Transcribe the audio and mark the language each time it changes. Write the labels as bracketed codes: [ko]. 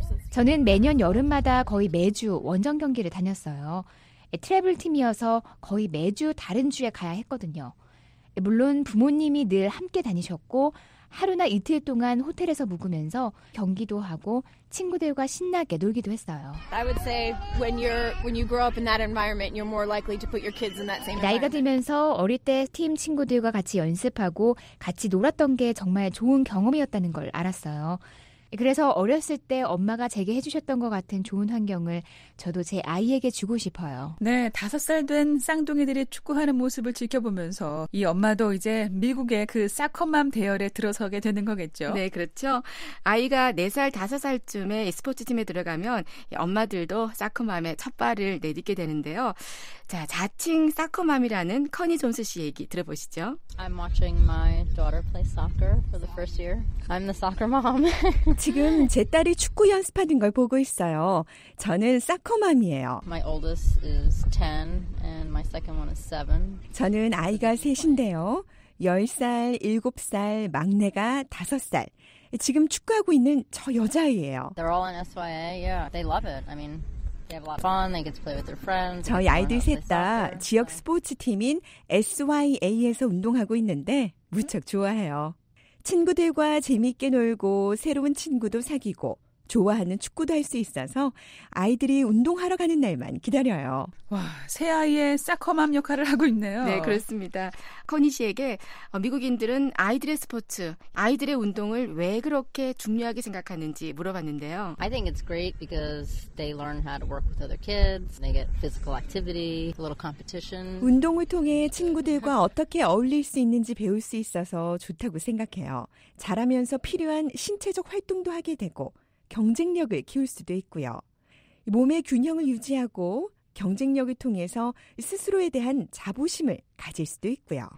[ko] 저는 매년 여름마다 거의 매주 원정 경기를 다녔어요. 트래블 팀이어서 거의 매주 다른 주에 가야 했거든요. 물론 부모님이 늘 함께 다니셨고 하루나 이틀 동안 호텔에서 묵으면서 경기도 하고 친구들과 신나게 놀기도 했어요. [en] I would say when you grow up in that environment, you're more likely to put your kids in that same. [ko] 나이가 들면서 어릴 때 팀 친구들과 같이 연습하고 같이 놀았던 게 정말 좋은 경험이었다는 걸 알았어요. 그래서 어렸을 때 엄마가 제게 해주셨던 것 같은 좋은 환경을 저도 제 아이에게 주고 싶어요. 네, 5살 된 쌍둥이들이 축구하는 모습을 지켜보면서 이 엄마도 이제 미국의 그 사커맘 대열에 들어서게 되는 거겠죠. 네, 그렇죠. 아이가 4살, 5살쯤에 스포츠팀에 들어가면 엄마들도 사커맘의 첫발을 내딛게 되는데요. 자, 자칭 사커맘이라는 커니 존스 씨 얘기 들어보시죠. [en] I'm watching my daughter play soccer for the first year. I'm the soccer mom. [ko] 지금 제 딸이 축구 연습하는 걸 보고 있어요. 저는 사커맘이에요. [en] My oldest is 10 and my second one is 7. [ko] 저는 아이가 셋인데요. 10살, 7살, 막내가 5살. 지금 축구하고 있는 저 여자아이예요. [en] They're all in SYA. Yeah, they love it. I mean, they have a lot of fun. They get to play with their friends. [ko] 저희 아이들 셋 다 지역 스포츠팀인 SYA에서 운동하고 있는데 무척 좋아해요. 친구들과 재미있게 놀고 새로운 친구도 사귀고 좋아하는 축구도 할 수 있어서 아이들이 운동하러 가는 날만 기다려요. 와, 새 아이의 사커맘 역할을 하고 있네요. 네, 그렇습니다. 커니 씨에게 미국인들은 아이들의 스포츠, 아이들의 운동을 왜 그렇게 중요하게 생각하는지 물어봤는데요. [en] I think it's great because they learn how to work with other kids. They get physical activity, a little competition. [ko] 운동을 통해 친구들과 어떻게 어울릴 수 있는지 배울 수 있어서 좋다고 생각해요. 자라면서 필요한 신체적 활동도 하게 되고 경쟁력을 키울 수도 있고요. 몸의 균형을 유지하고 경쟁력을 통해서 스스로에 대한 자부심을 가질 수도 있고요.